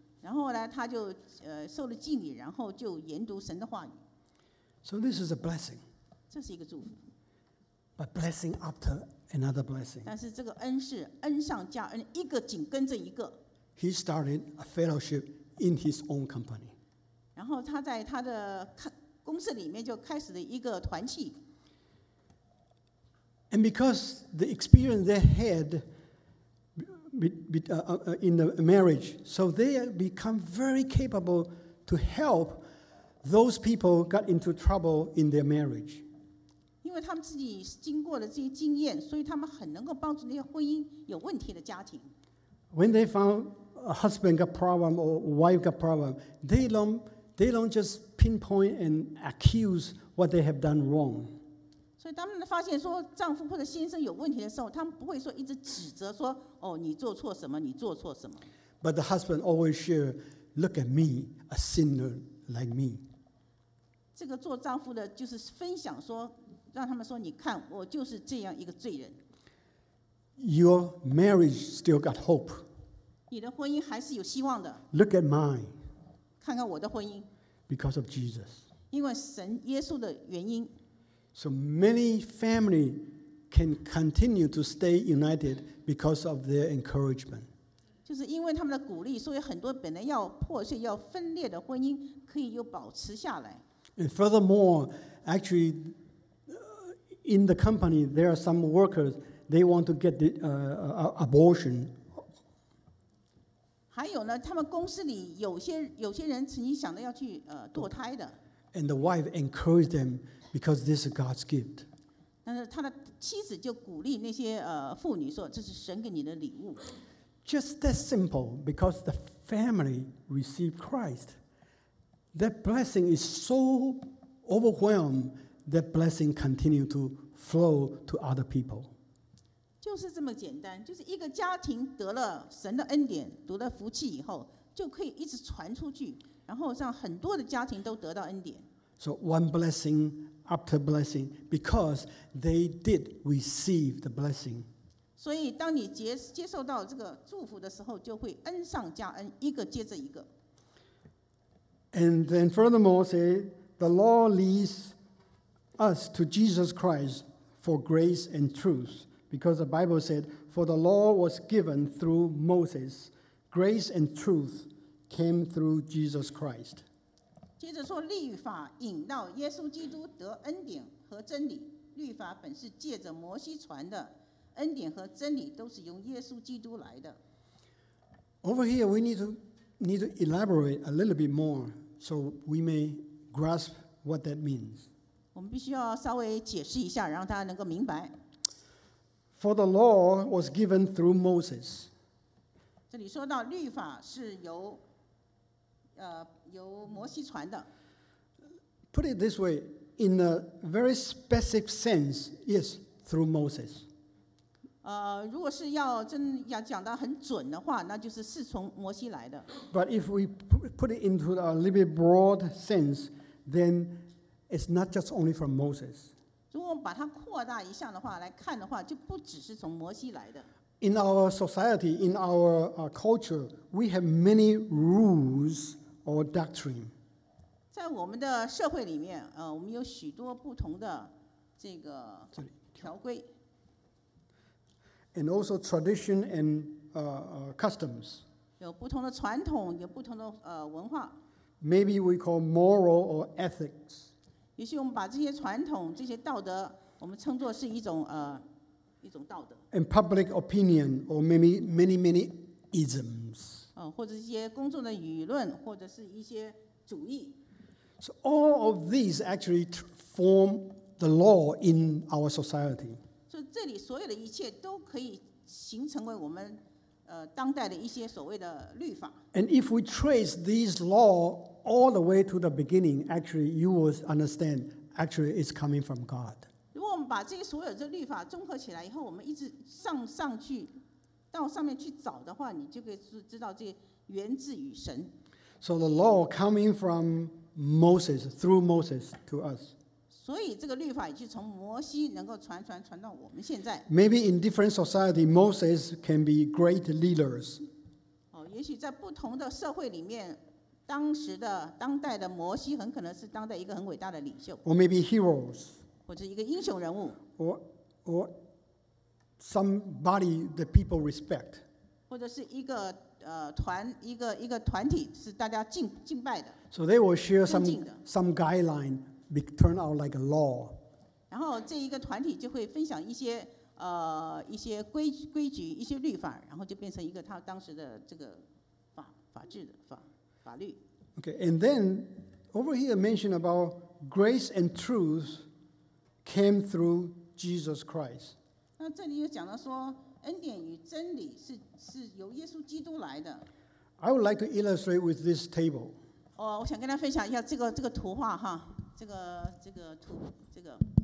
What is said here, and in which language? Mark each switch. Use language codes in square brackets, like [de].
[zh] 然后呢，他就受了浸礼，然后就研读神的话语。 [en] So this is a blessing. [zh] 这是一个祝福。 [en] But blessing after another blessing. [zh] 但是这个恩是恩上加恩，一个紧跟着一个。 [en] He started a fellowship in his own company. [zh] 然后他在他的公司里面就开始了一个团契。 [en] And because the experience they had in the marriage, so they become very capable to help those people got into trouble in their marriage. [zh] 因为他们自己经过了这些经验，所以他们很能够帮助那些婚姻有问题的家庭。 [en] When they found a husband got problem or wife got problem, they don't just pinpoint and accuse what they have done wrong. [zh] 所以他们发现说丈夫或者先生有问题的时候，他们不会说一直指责说哦你做错什么，你做错什么。 [en] But the husband always share, look at me, a sinner like me. [zh] 这个做丈夫的就是分享说，让他们说你看我就是这样一个罪人。 [en] Your marriage still got hope. [zh] 你的婚姻还是有希望的。 [en] Look at mine. [zh] 看看我的婚姻。 [en] Because of Jesus. [zh] 因为神耶稣的原因。 [en] So many families can continue to stay united because of their encouragement. [zh] 就是因为他们的鼓励，所以很多本来要破碎、要分裂的婚姻，可以又保持下来。 [en] And furthermore, actually, in the company, there are some workers. They want to get the abortion. [zh] 还有呢，他们公司里有些人曾经想着要去堕胎的。 [en] And the wife encouraged them because this is God's gift. [zh] 但是他的妻子就鼓励那些妇女说：“这是神给你的礼物。” [en] Just that simple, because the family received Christ, that blessing is so overwhelmed. That blessing continued to flow to other people. [zh] 就是这么简单，就是一个家庭得了神的恩典，得了福气以后，就可以一直传出去，然后让很多的家庭都得到恩典。 [en] So one blessing after blessing, because they did receive the blessing. [zh] 所以当你接受到这个祝福的时候，就会恩上加恩，一个接着一个。 [en] And then furthermore, say the law leads us to Jesus Christ for grace and truth, because the Bible said, "For the law was given through Moses, grace and truth came through Jesus Christ." [zh] 接着说，律法引到耶稣基督得恩典和真理。律法本是借着摩西传的，恩典和真理都是由耶稣基督来的。 [en] Over here, we need to elaborate a little bit more so we may grasp what that means. [zh] 我们必须要稍微解释一下，让大家能够明白。 [en] For the law was given through Moses. [zh] 这里说到律法是由由摩西传的。 [en] Put it this way, in a very specific sense, yes, through Moses. [zh] 如果是要真要讲得很准的话，那就是是从摩西来的。 [en] But if we put it into a little bit broad sense, then it's not just only from Moses. [zh] 如果我们把它扩大一下的话来看的话，就不只是从摩西来的。 [en] In our society, in our culture, we have many rules or doctrine. [zh] 在我们的社会里面，我们有许多不同的这个条规。 [en] And also tradition and customs. [zh] 有不同的传统，有不同的文化。 [en] Maybe we call moral or ethics. [zh] 也许我们把这些传统、这些道德，我们称作是一种道德。 [en] And public opinion, or maybe many, many isms. [zh] 或者一些公众的舆论，或者是一些主义。 [en] So all of these actually form the law in our society. [zh] 所以这里所有的一切都可以形成为我们当代的一些所谓的律法。 [en] And if we trace these law all the way to the beginning, actually, you will understand, actually, it's coming from God. [zh] 如果我们把这些所有的律法综合起来以后，我们一直上去，到上面去找的话，你就可以知道这源自于神。 [en] So the law coming from Moses, through Moses to us. [zh] 所以这个律法也就从摩西能够传到我们现在。 [en] Maybe in different society, Moses can be great leaders. [zh] 也许在不同的社会里面，当代的摩西很可能是当代一个很伟大的领袖。 [en] Or maybe heroes. [zh] 或者一个英雄人物。 [en] Or somebody that people respect. [zh] 或者是一个团体是大家敬拜的。 [en] So they will share some guideline, turn out like a law. [zh] 然后这一个团体就会分享一些规矩、一些律法，然后就变成一个他当时的这个法治的法。 [en] Okay, and then Over here mentioned about grace and truth came through Jesus Christ. [zh] 那这里有讲到说恩典与真理 是由耶稣基督来的。 [en] I would like to illustrate with this table. [zh] 哦，我想跟大家分享一下这个图画哈，这个图这个。